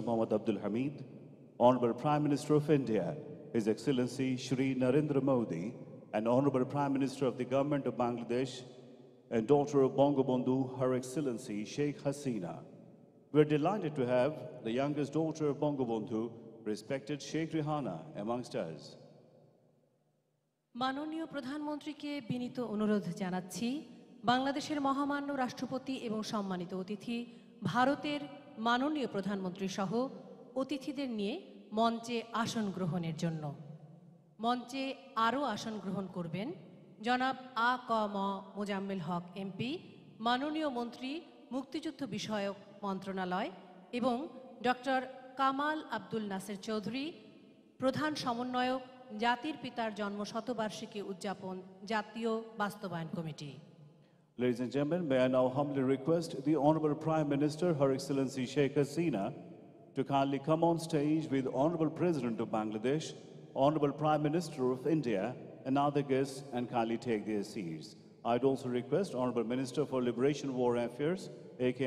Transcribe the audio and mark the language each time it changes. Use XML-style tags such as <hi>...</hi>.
<en>Mohammad Abdul Hamid, Honorable Prime Minister of India, His Excellency Shri Narendra Modi, and Honorable Prime Minister of the Government of Bangladesh, and daughter of Bangabandhu, Her Excellency Sheikh Hasina. We're delighted to have the youngest daughter of Bangabandhu, respected Sheikh Rehana, amongst us.</en> <bn>মাননীয় প্রধানমন্ত্রীকে বিনীত অনুরোধ জানাচ্ছি, বাংলাদেশের মহামান্য রাষ্ট্রপতি এবং সম্মানিত অতিথি, ভারতের মাননীয় প্রধানমন্ত্রী সহ অতিথিদের নিয়ে মঞ্চে আসন গ্রহণের জন্য। মঞ্চে আরও আসন গ্রহণ করবেন জনাব আ ক ম মোজাম্মেল হক এমপি, মাননীয় মন্ত্রী মুক্তিযুদ্ধ বিষয়ক মন্ত্রণালয়, এবং ডক্টর কামাল আব্দুল নাসের চৌধুরী, প্রধান সমন্বয়ক জাতির পিতার জন্ম শতবার্ষিকী উদযাপন জাতীয় বাস্তবায়ন committee.</bn> <en>Ladies and gentlemen, may I now humbly request the Honorable Prime Minister, Her Excellency Sheikh Hasina, to kindly come on stage with Honorable President of Bangladesh, Honorable Prime Minister of India, and other guests, and kindly take their seats. I'd also request Honorable Minister for Liberation War Affairs, A.K.</en>